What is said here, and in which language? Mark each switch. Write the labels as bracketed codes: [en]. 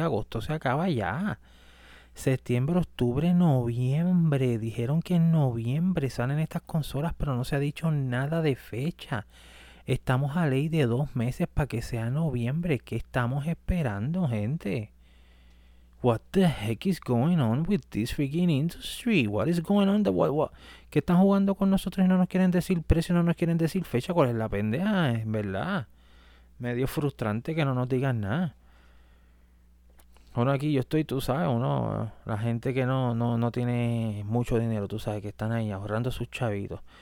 [es] Agosto se acaba ya. Septiembre, octubre, noviembre. Dijeron que en noviembre salen estas consolas, pero no se ha dicho nada de fecha. Estamos a ley de 2 meses para que sea noviembre. ¿Qué estamos esperando, gente? [en] What the heck is going on with this freaking industry? What is going on? [es] ¿Qué están jugando con nosotros y no nos quieren decir precio, no nos quieren decir fecha? ¿Cuál es la pendeja? En verdad. Medio frustrante que no nos digan nada. Bueno, aquí yo estoy, tú sabes, uno, la gente que no tiene mucho dinero, tú sabes, que están ahí ahorrando sus chavitos.